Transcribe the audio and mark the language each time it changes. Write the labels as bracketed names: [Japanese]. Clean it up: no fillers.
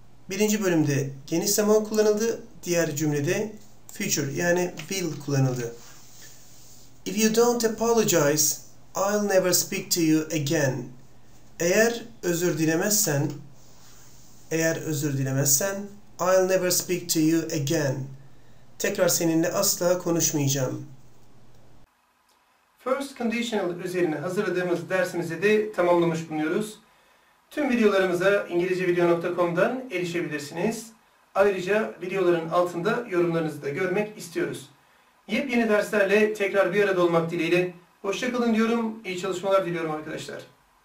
[Turkish] Birinci bölümde geniş zaman kullanıldı, diğer cümlede future yani will kullanıldı. [English] If you don't apologize, I'll never speak to you again. [Turkish] Eğer özür dilemezsen, [English] I'll never speak to you again. [Turkish] Tekrar seninle asla konuşmayacağım. First conditional üzerine hazırladığımız dersimizi de tamamlamış bulunuyoruz. Tüm videolarımıza ingilizcevideo.com'dan erişebilirsiniz. Ayrıca videoların altında yorumlarınızı da görmek istiyoruz. Yepyeni derslerle tekrar bir arada olmak dileğiyle hoşça kalın diyorum. İyi çalışmalar diliyorum arkadaşlar.